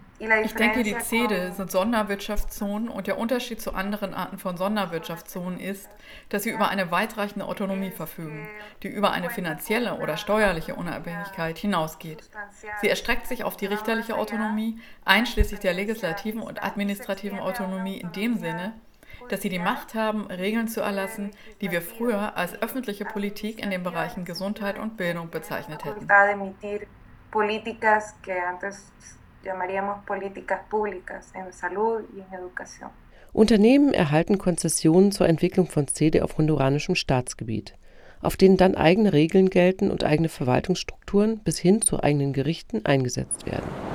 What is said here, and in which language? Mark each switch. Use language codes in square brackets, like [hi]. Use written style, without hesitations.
[de] Ich denke, die SEDE sind Sonderwirtschaftszonen und der Unterschied zu anderen Arten von Sonderwirtschaftszonen ist, dass sie über eine weitreichende Autonomie verfügen, die über eine finanzielle oder steuerliche Unabhängigkeit hinausgeht. Sie erstreckt sich auf die richterliche Autonomie, einschließlich der legislativen und administrativen Autonomie in dem Sinne, dass sie die Macht haben, Regeln zu erlassen, die wir früher als öffentliche Politik in den Bereichen Gesundheit und Bildung bezeichnet hätten. [es] Políticas que antes llamaríamos políticas públicas en salud y en educación. [de] Unternehmen erhalten Konzessionen zur Entwicklung von SEDE auf honduranischem Staatsgebiet, auf denen dann eigene Regeln gelten und eigene Verwaltungsstrukturen bis hin zu eigenen Gerichten eingesetzt werden.